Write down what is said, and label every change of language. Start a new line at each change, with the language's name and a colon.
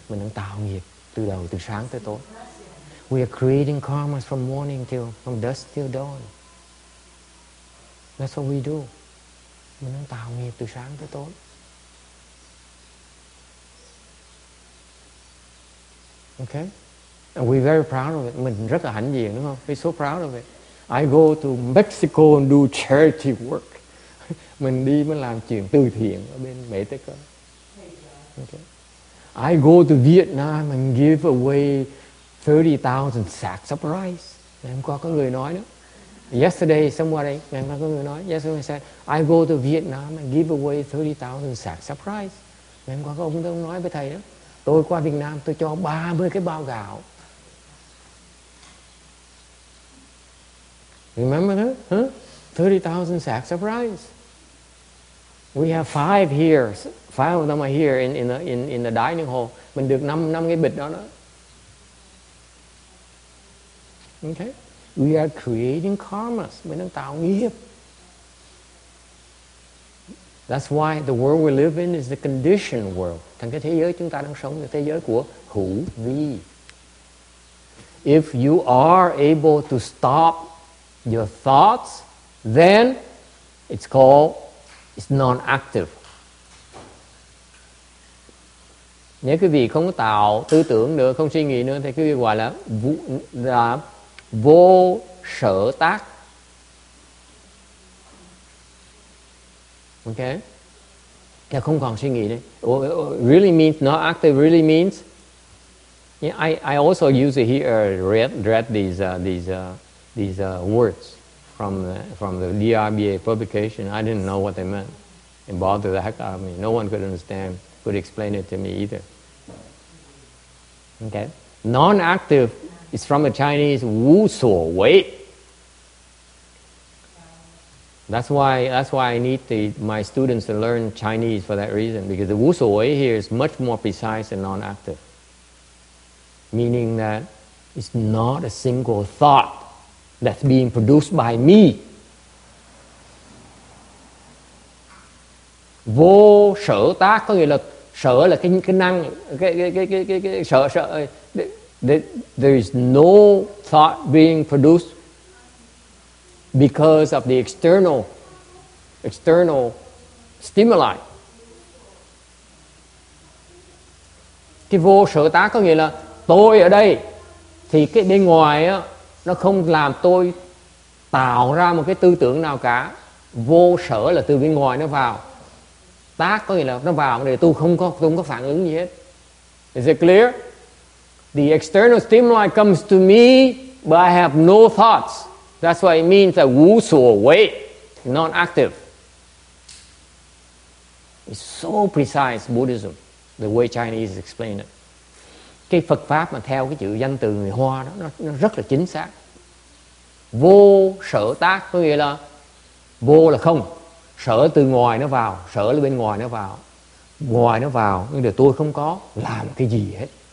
Vietnamese: Mình đang tạo nghiệp từ đầu từ sáng tới tối.
English: We are creating karmas from morning till from dusk till dawn. That's what we do.
Vietnamese: Mình đang tạo nghiệp từ sáng tới tối.
English: Okay, and we're very proud of it.
Vietnamese: Mình rất là hãnh diện, đúng không?
English: We're so proud of it. I go to Mexico and do charity work.
Vietnamese: Mình đi mới làm chuyện từ thiện ở bên Mỹ Tây Cơ.
English: Okay. I go to Vietnam and give away 30,000 sacks of rice.
Vietnamese: Ngày hôm qua có người nói đó.
English: Yesterday, somebody,
Vietnamese: ngày hôm qua có người nói.
English: Yesterday said, I go to Vietnam and give away 30,000 sacks of rice.
Vietnamese: Ngày hôm qua có ông nói với thầy đó. Tôi qua Việt Nam, tôi cho 30 cái bao gạo.
English: Remember that? Huh? 30,000 sacks of rice. We have five here. Five of them are here in the dining hall.
Vietnamese: Mình được 5 cái bịch đó đó.
English: Okay? We are creating karmas.
Vietnamese: Mình đang tạo nghiệp.
English: That's why the world we live in is the conditioned world.
Vietnamese: Thành cái thế giới chúng ta đang sống là thế giới của hữu vi.
English: If you are able to stop your thoughts, then it's non-active.
Vietnamese: Nếu quý vị không có tạo tư tưởng nữa, không suy nghĩ nữa, thì quý vị gọi là vô sở tác. Okay? Yeah, không còn suy nghĩ đấy.
English: Really means not active. Really means. Yeah, I also use it here. Read these words from the DRBA publication. I didn't know what they meant. It bothered the heck out of me. No one could understand. Could explain it to me either. Okay, non-active is from the Chinese wu suo wei. That's why I need my students to learn Chinese for that reason, because the wu suo wei here is much more precise and non-active, meaning that it's not a single thought that's being produced by me.
Vietnamese: Vô sở tác có nghĩa là sở là cái năng cái sở sở
English: there is no thought being produced because of the external stimuli.
Vietnamese: Cái vô sở tác có nghĩa là tôi ở đây thì cái bên ngoài á nó không làm tôi tạo ra một cái tư tưởng nào cả. Vô sở là từ bên ngoài nó vào, tác có nghĩa là nó vào để tôi không có phản ứng gì hết.
English: Is it clear? The external stimuli comes to me, but I have no thoughts. That's why it means that wu suo wei, non-active. It's so precise Buddhism, the way Chinese explain it.
Vietnamese: Cái Phật pháp mà theo cái chữ danh từ người Hoa đó nó rất là chính xác. Vô sở tác có nghĩa là vô là không, sở từ ngoài nó vào, sở là bên ngoài nó vào, ngoài nó vào nhưng mà tôi không có làm cái gì hết.